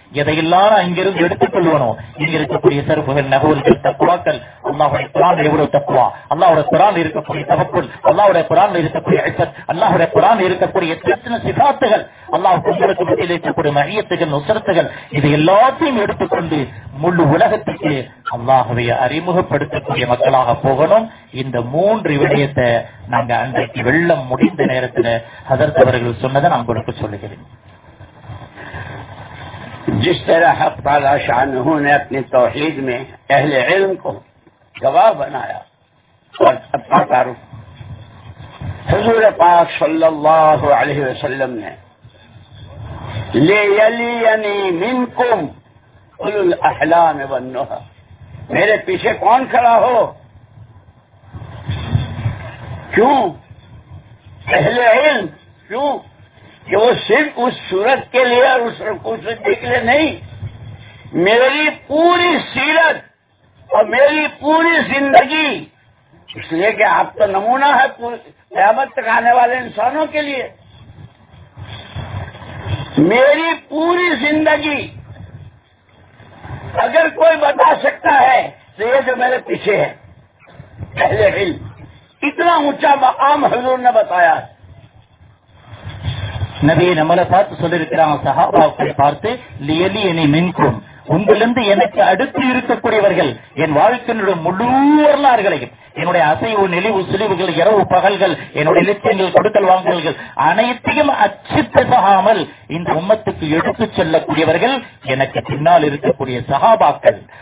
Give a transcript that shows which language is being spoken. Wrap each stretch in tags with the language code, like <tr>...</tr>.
<ta>எதையெல்லாம் அங்கிருந்து எடுத்துக் கொள்வனோ, இங்க இருக்கக்கூடிய சிறப்புகள், நகவல்கள், தக்குவாக்கள், அல்லாஹுடைய குரான் எவ்வளவு தக்குவா, அல்லாஹுடைய குரான் இருக்கக்கூடிய தகப்புள், அல்லாஹுடைய குரான் இருக்கக்கூடிய ஐசத், அல்லாஹுடைய குரான் இருக்கக்கூடிய எத்தனை சிபாத்துகள், அல்லாஹ் உங்களுக்கு இருக்கக்கூடிய மகியத்துகள், நுசரத்துகள், இது எல்லாத்தையும் எடுத்துக்கொண்டு முழு உலகத்துக்கு அல்லாஹுவை அறிமுகப்படுத்தக்கூடிய மக்களாக போகணும். இந்த மூன்று விடயத்தை நாங்கள் அன்றைக்கு வெள்ளம் முடிந்த நேரத்தில் ஹதரத் அவர்கள் சொன்னதை நான் உங்களுக்கு சொல்லுகிறேன்.</ta> <ur>جس طرح حق تعالی شانہ نے اپنی توحید میں اہل علم کو گواہ بنایا اور سب کا تعارف حضور پاک صلی اللہ علیہ وسلم نے</ur> <ar>لے یلینی منکم اول الاحلام والنہا</ar> <ur>میرے پیچھے کون کھڑا ہو؟ کیوں اہل علم؟ کیوں کہ وہ صرف اس صورت کے لیے اور اس رکوع سے نکلے نہیں، میری پوری سیرت اور میری پوری زندگی، اس لیے کہ آپ تو نمونہ ہے قیامت تک آنے والے انسانوں کے لیے، میری پوری زندگی اگر کوئی بتا سکتا ہے تو یہ جو میرے پیچھے ہے اہل علم، اتنا اونچا مقام حضور نے بتایا.</ur> <ta>நபி நம்மளை பார்த்து சொல்லியிருக்கிறாங்க, சஹாபாக்கள் பார்த்து லியலி என மின்கும், உங்களிருந்து எனக்கு அடுத்து இருக்கக்கூடியவர்கள் என் வாழ்க்கையினுடைய முழு வரலாறுகளையும், என்னுடைய அசைவு நெளிவு சுழிவுகள், இரவு பகல்கள், என்னுடைய இலட்சியங்கள், கொடுக்கல் வாங்குதல்கள் அனைத்தையும் அச்சுத்தகாமல் இந்த உம்மத்துக்கு எடுத்துச் செல்லக்கூடியவர்கள் எனக்கு பின்னால் இருக்கக்கூடிய சஹாபாக்கள்.</ta>